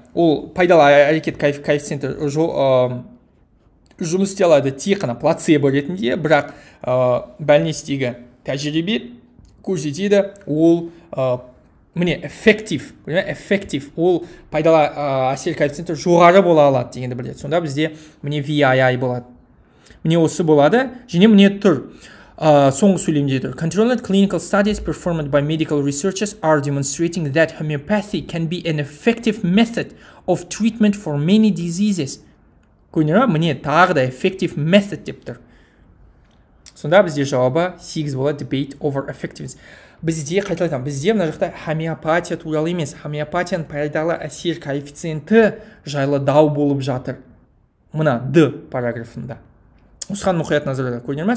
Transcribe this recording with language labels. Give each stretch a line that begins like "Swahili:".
Kazakh: Ол пайдалы әрекет коэффициенті жұмыс істей алады тек қана плацебо ретінде, бірақ бәлнестегі тәжірибе көрсетеді, ол міне эффектив, эффектив, ол пайдалы әсер коэффициенті жоғары бола алады дегенді білдіреді. Сонда бізде міне VII болады. Міне осы болады және міне тұр. Соңғы сөйлемде тұр.
English: Controlled clinical studies performed by medical researchers are demonstrating that homeopathy can be an effective method of treatment for many diseases.
Kazakh: Көріне ма? Міне тағы да effective method деп тұр. Сонда бізде жауабы 8 болады,
English: debate over effectiveness.
Kazakh: Бізде қайталайтам, бізде мына жақта хомеопатия туралы емес, хомеопатияның пайдалы әсер коэффициенті жайлы дау болып жатыр. Мына D параграфында. Осыған мұқият назарда көрінер ма?